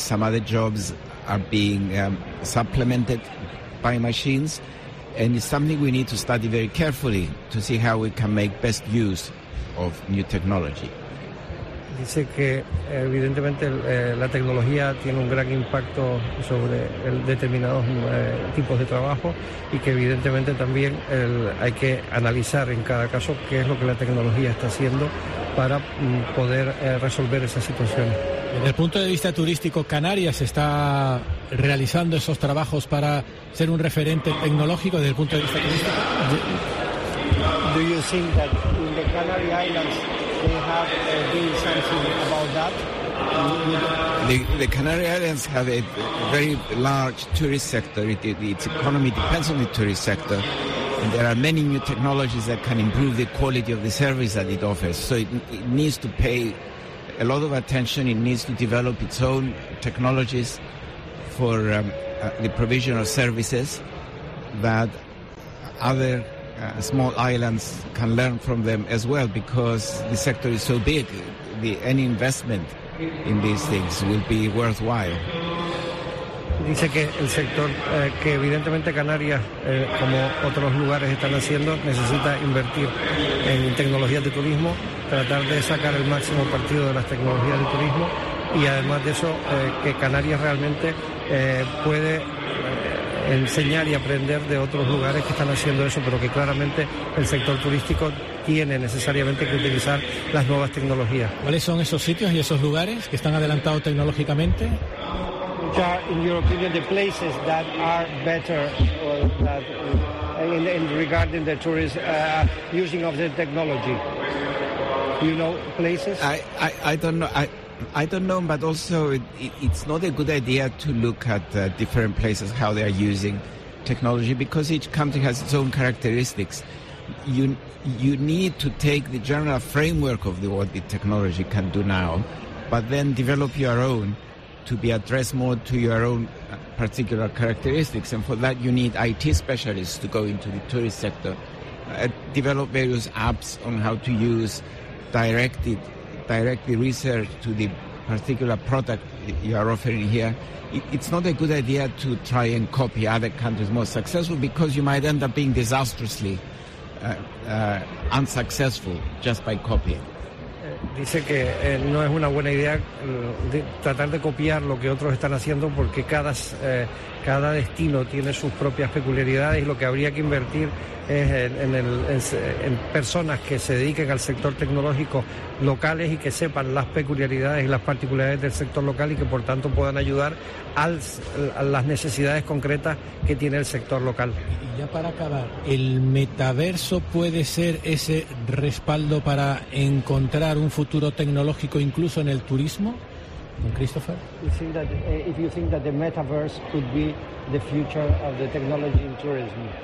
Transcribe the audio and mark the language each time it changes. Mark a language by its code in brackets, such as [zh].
[en] Some other jobs are being supplemented by machines, and it's something we need to study very carefully to see how we can make best use of new technology. [es] Dice que evidentemente la tecnología tiene un gran impacto sobre determinados tipos de trabajo y que evidentemente también hay que analizar en cada caso qué es lo que la tecnología está haciendo para poder resolver esas situaciones. Desde el punto de vista turístico, Canarias está realizando esos trabajos para ser un referente tecnológico desde el punto de vista turístico. [en] Do you think that in the Canary Islands The Canary Islands have a very large tourist sector. Its economy depends on the tourist sector, and there are many new technologies that can improve the quality of the service that it offers. So it needs to pay a lot of attention. It needs to develop its own technologies for the provision of services that other small islands can learn from them as well, because the sector is so big, any investment in these things will be worthwhile. [es] Dice que el sector que evidentemente Canarias como otros lugares están haciendo necesita invertir en tecnologías de turismo, tratar de sacar el máximo partido de las tecnologías de turismo, y además de eso que Canarias realmente puede enseñar y aprender de otros lugares que están haciendo eso, pero que claramente el sector turístico tiene necesariamente que utilizar las nuevas tecnologías. ¿Cuáles son esos sitios y esos lugares que están adelantados tecnológicamente? [en] Ya, in your opinion, the places that are better or that in regarding the tourist using of the technology. You know places? I don't know, but also it's not a good idea to look at different places, how they are using technology, because each country has its own characteristics. You need to take the general framework of what the technology can do now, but then develop your own to be addressed more to your own particular characteristics. And for that, you need IT specialists to go into the tourist sector, develop various apps on how to use directly research to the particular product you are offering here. It's not a good idea to try and copy other countries more successful, because you might end up being disastrously unsuccessful just by copying. [es] Dice que no es una buena idea tratar de copiar lo que otros están haciendo, porque cada destino tiene sus propias peculiaridades, y lo que habría que invertir es en personas que se dediquen al sector tecnológico locales y que sepan las peculiaridades y las particularidades del sector local, y que por tanto puedan ayudar a las necesidades concretas que tiene el sector local. Y ya para acabar, ¿el metaverso puede ser ese respaldo para encontrar un futuro tecnológico incluso en el turismo? [en] Christopher, if you think that the metaverse could be the future of the technology in tourism,